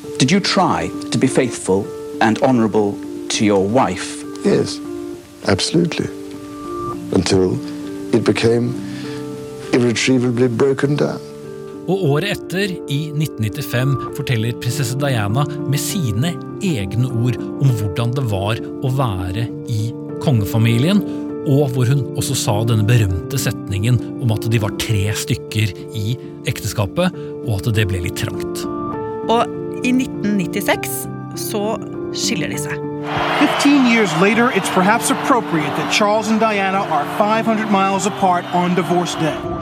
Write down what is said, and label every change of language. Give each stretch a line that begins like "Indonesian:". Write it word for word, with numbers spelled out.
English: Did you try to be faithful and honorable to your wife? Yes, absolutely. Until it became irretrievably broken down.
Norwegian: Og året etter, i nitten nittifem, forteller prinsesse Diana med sine egne ord om hvordan det var å være i kongefamilien, og hvor hun også sa denne berømte setningen om at de var tre stykker i ekteskapet, og at det ble litt trangt. Og i nitten nittiseks så skiller de seg.
English: fifteen years later, it's perhaps appropriate that Charles and Diana are five hundred miles apart on divorce day.